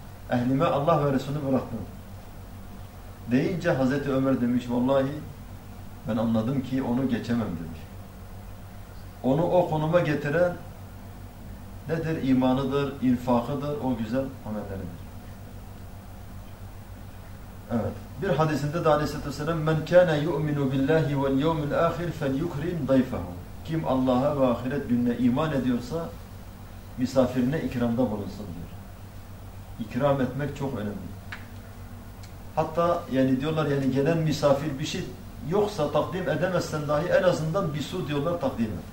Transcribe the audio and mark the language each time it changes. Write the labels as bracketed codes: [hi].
[tr] Ehlime Allah ve Resulü bıraktım. Deyince Hazreti Ömer demiş, vallahi ben anladım ki onu geçemem demiş. Onu o konuma getiren nedir? İmanıdır, infakıdır, o güzel amelleridir. Evet. Bir hadisinde de aleyhissalatü vesselam [ar] مَنْ كَانَ يُؤْمِنُ بِاللّٰهِ وَالْيَوْمِ الْآخِرِ فَلْيُكْرِمْ ضَيْفَهُ. [tr] Kim Allah'a ve ahiret gününe iman ediyorsa misafirine ikramda bulunsun diyor. İkram etmek çok önemli. Hatta yani diyorlar yani gelen misafir bir şey yoksa takdim edemezsen dahi en azından bir su diyorlar takdim et.